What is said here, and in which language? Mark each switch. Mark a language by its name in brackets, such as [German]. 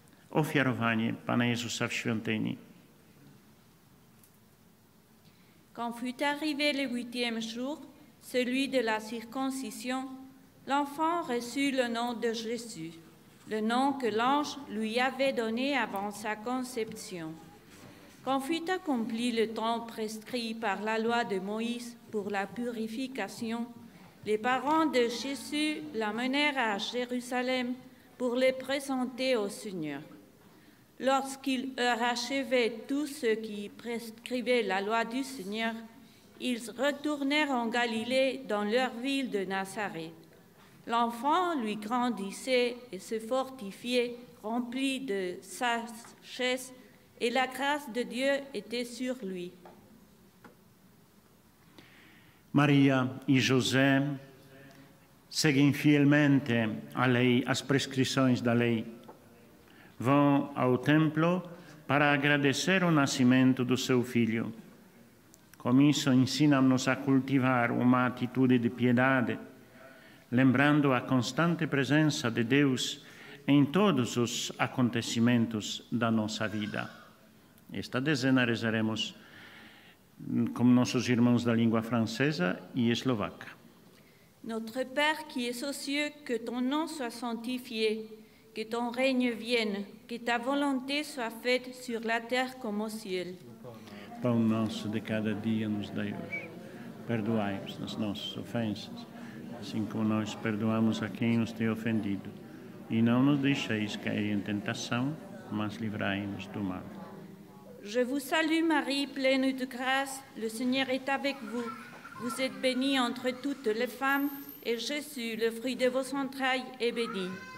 [Polish] Ofiarowanie Pana Jezusa w świątyni. [French] Quand fut arrivé le huitième jour, celui de la circoncision, l'enfant reçut le nom de Jésus, le nom que l'ange lui avait donné avant sa conception. Quand fut accompli le temps prescrit par la loi de Moïse pour la purification, les parents de Jésus l'amenèrent à Jérusalem pour le présenter au Seigneur. Lorsqu'ils eurent achevé tout ce qui prescrivait la loi du Seigneur, ils retournèrent en Galilée dans leur ville de Nazareth. L'enfant lui grandissait et se fortifiait, rempli de sagesse, et la grâce de Dieu était sur lui. [Portuguese] Maria e José seguem fielmente a lei, as prescrições da lei. Vão ao templo para agradecer o nascimento do seu filho. Com isso, ensinam-nos a cultivar uma atitude de piedade, lembrando a constante presença de Deus em todos os acontecimentos da nossa vida. Esta dezena rezaremos com nossos irmãos da língua francesa e eslovaca. [French] Notre Père qui es aux cieux, que ton nom soit sanctifié, que ton règne vienne, que ta volonté soit faite sur la terre comme au ciel. [Portuguese] Pão nosso de cada dia nos dai hoje. Perdoai-nos as nossas ofensas, assim como nós perdoamos a quem nos tem ofendido. E não nos deixeis cair em tentação, mas livrai-nos do mal. [French] Je vous salue, Marie, pleine de grâce. Le Seigneur est avec vous. Vous êtes bénie entre toutes les femmes, et Jésus, le fruit de vos entrailles, est béni.